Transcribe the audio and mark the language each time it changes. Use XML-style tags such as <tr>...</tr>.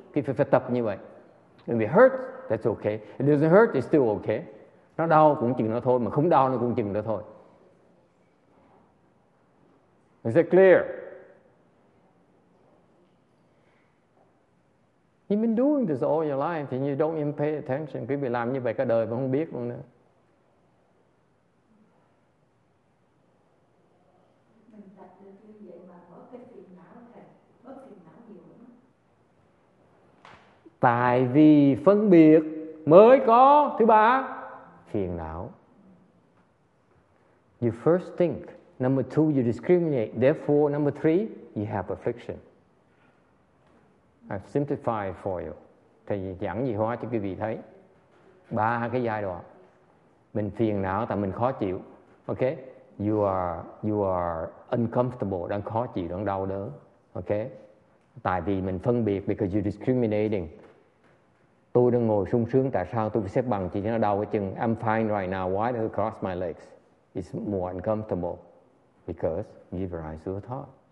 <en>If you fed up anyway, if it hurts, that's okay. If it doesn't hurt, it's still okay.</en> <vi>Nó đau cũng chừng đó thôi, mà không đau nó cũng chừng đó thôi.</vi> <en>Is it clear? You've been doing this all your life and you don't even pay attention.</en> <vi>Quý vị làm như vậy cả đời mà không biết luôn nữa. Tại vì phân biệt mới có thứ ba phiền não.</vi> <en>You first think, number two you discriminate, therefore number three you have affliction. I've simplified for you.</en> <vi>Thầy giảng gì hóa cho quý vị thấy ba cái giai đoạn. Mình phiền não tại mình khó chịu.</vi> <en>Okay, you are uncomfortable,</en> <vi>đang khó chịu, đang đau đớn. Okay, tại vì mình phân biệt,</vi> <en>because you're discriminating.</en> <vi>Tôi đang ngồi sung sướng, tại sao tôi xếp bằng chỉ nó đau cái chân.</vi> <en>I'm fine right now, why do I cross my legs? It's more uncomfortable because you give rise to a thought.</en>